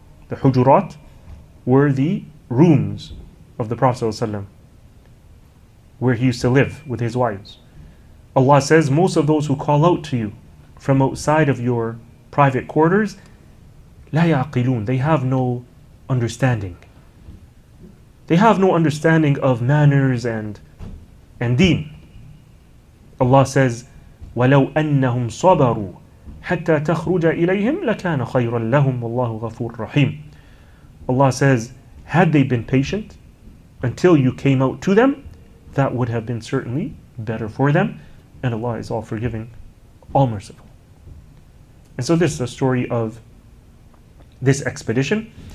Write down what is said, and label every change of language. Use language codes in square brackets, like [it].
[en] The hujurat were the rooms of the Prophet ﷺ, where he used to live with his wives. Allah says, most of those who call out to you from outside of your private quarters, [ar] لا يعقلون, [en] they have no understanding. They have no understanding of manners and deen. Allah says, [ar] وَلَوْ أَنَّهُمْ صَبَرُوا حَتَّى تَخْرُجَ إِلَيْهِمْ لَكَانَ خَيْرًا لَهُمْ وَاللَّهُ غَفُورٌ رَحِيمٌ. [en] Allah says, had they been patient until you came out to them, that would have been certainly better for them. And Allah is all forgiving, all merciful. And so this is the story of this expedition.